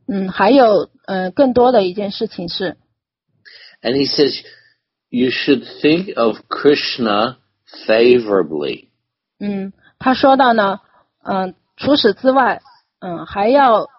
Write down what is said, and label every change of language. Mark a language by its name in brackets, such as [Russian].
[Chinese] 还有更多的一件事情是。 [English] And he says, you should think of Krishna favorably. [Chinese] 他说到呢，除此之外，还要